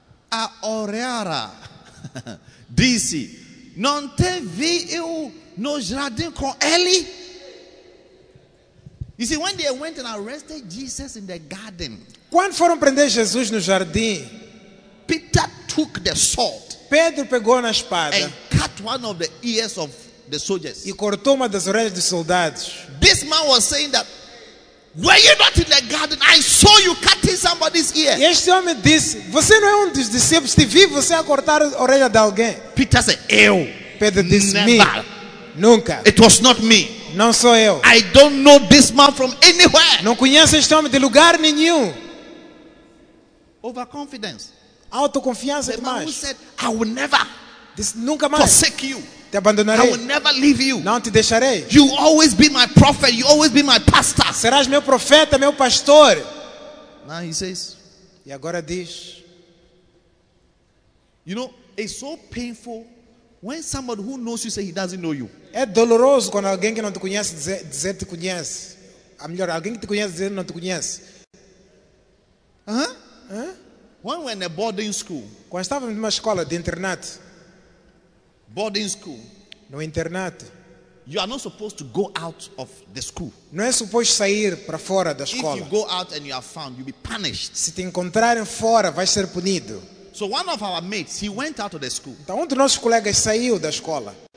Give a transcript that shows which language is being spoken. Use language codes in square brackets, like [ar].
[pt] A Oreara disse, não te vi eu no jardim com ele? [en] You see, when they went and arrested Jesus in the garden, [pt] quando foram prender Jesus no jardim, [en] Peter took the sword, [pt] Pedro pegou na espada, [en] and cut one of the ears of the soldiers. [pt] E cortou uma das orelhas dos soldados. [en] This man was saying that, were you not in the garden? I saw you cutting somebody's ear. [pt] Este homem disse, você não é dos discípulos? Te vi você a cortar a orelha de alguém. [en] Peter said, [pt] eu. Pedro disse, [en] never. [pt] Me. Nunca. [en] It was not me. [pt] Não sou eu. [en] I don't know this man from anywhere. [pt] Não conheço este homem de lugar nenhum. [en] Overconfidence. [pt] Autoconfiança [en] the [pt] demais. [en] Man who said, I will never this, [pt] nunca mais [en] forsake you. [pt] Te abandonarei. [en] I will never leave you. [pt] Não te deixarei. [en] You always be my prophet. You always be my pastor. [pt] Serás meu profeta, meu pastor. [en] Now he says, [pt] e agora diz, [en] you know, it's so painful when somebody who knows you say he doesn't know you. [pt] É doloroso quando alguém que não te conhece dizer te conhece. A melhor, alguém que te conhece dizer não te conhece. [en] When we're in a boarding school. [pt] Quando estava numa escola de internato. [en] Boarding school. [pt] No internato. [en] You are not supposed to go out of the school. [pt] Não é suposto sair para fora da escola. [en] If you go out and you are found, you'll be punished. [pt] Se te encontrarem fora, vais ser punido. [en] So one of our mates, he went out of the school. [pt] Então, um dos nossos colegas saiu da escola.